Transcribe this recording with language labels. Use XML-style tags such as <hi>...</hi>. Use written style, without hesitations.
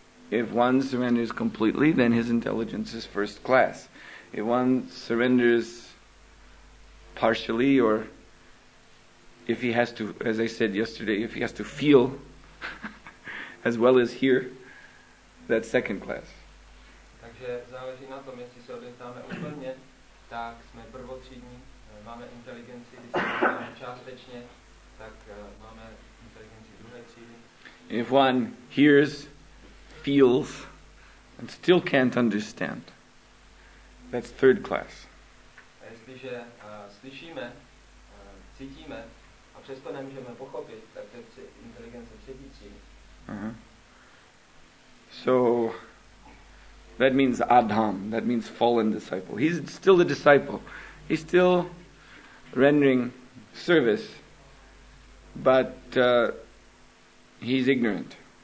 <en>If one surrenders completely, then his intelligence is first class. If one surrenders partially, or if he has to, as I said yesterday, if he has to feel as well as hear, that's second class.</en> <cs>Takže záleží na tom, jestli se odevzdáme úplně, tak jsme prvotřídní, máme inteligenci, když se odevzdáme částečně, tak máme inteligenci druhé třídy.</cs> <en>If one hears, feels, and still can't understand, that's third class.</en> <cs>A jestliže slyšíme, cítíme, a přesto nemůžeme pochopit, tak to je inteligence třetí třídy.</cs> <en>So that means Adham, that means fallen disciple. He's still a disciple. He's still rendering service, but he's ignorant.</en>